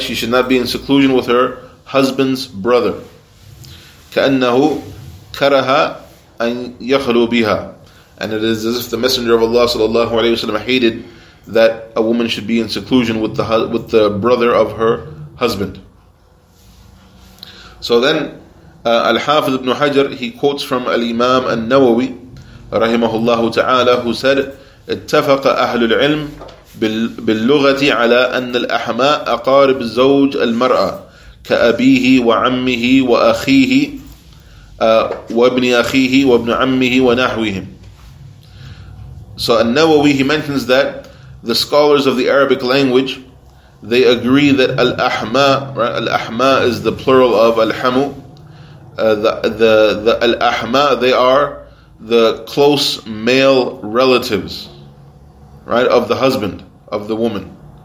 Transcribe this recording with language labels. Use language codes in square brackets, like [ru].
[en] She should not be in seclusion with her husband's brother. [ar] كَأَنَّهُ كَرَهَا أَن يَخْلُو بِهَا. [en] And it is as if the Messenger of Allah sallallahu alayhi wa sallam hated that a woman should be in seclusion with the brother of her husband. So then, Al-Hafidh ibn Hajar, he quotes from Al-Imam al-Nawawi, rahimahullahu ta'ala, who said, [ar] اتفق أهل العلم باللغة على أن الأحماء أقارب زوج المرأة كأبيه وعمه وأخيه وابن أخيه وابن عمه ونحوهم. [en] So al-Nawawi, he mentions that the scholars of the Arabic language, they agree that al-ahma, right? Al-ahma is the plural of al-hamu. The al-ahma, they are the close male relatives, right, of the husband of the woman.